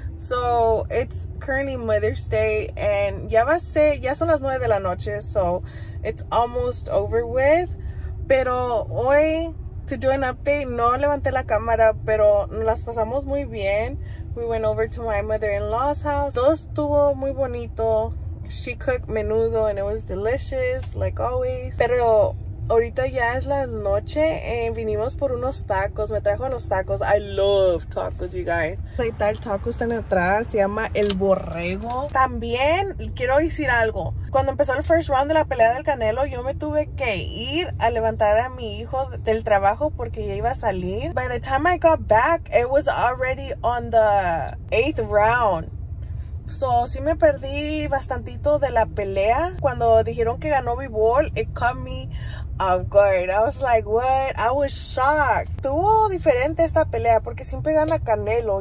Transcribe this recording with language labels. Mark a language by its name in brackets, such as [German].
[English] So it's currently Mother's Day and [Spanish] ya son las 9 de la noche, [English] so it's almost over with. [Spanish] Pero hoy, [English] to do an update, [Spanish] no levanté la cámara, pero las pasamos muy bien. [English] We went over to my mother-in-law's house. [Spanish] Todo estuvo muy bonito. [English] She cooked menudo and it was delicious, like always. [Spanish] Pero ahorita ya es la noche and vinimos por unos tacos. Me trajo los tacos. [English] I love tacos, you guys. [Spanish] Ahí está el taco, está en atrás. Se llama El Borrego. También quiero decir algo. Cuando empezó el [English] first round [Spanish] de la pelea del Canelo, yo me tuve que ir a levantar a mi hijo del trabajo porque ya iba a salir. [English] By the time I got back, it was already on the 8th round. [Spanish] So, sí me perdí bastantito de la pelea. Cuando dijeron que ganó [English] B-Ball, it caught me off guard. I was like, what? I was shocked. [Spanish] Estuvo diferente esta pelea porque siempre gana Canelo.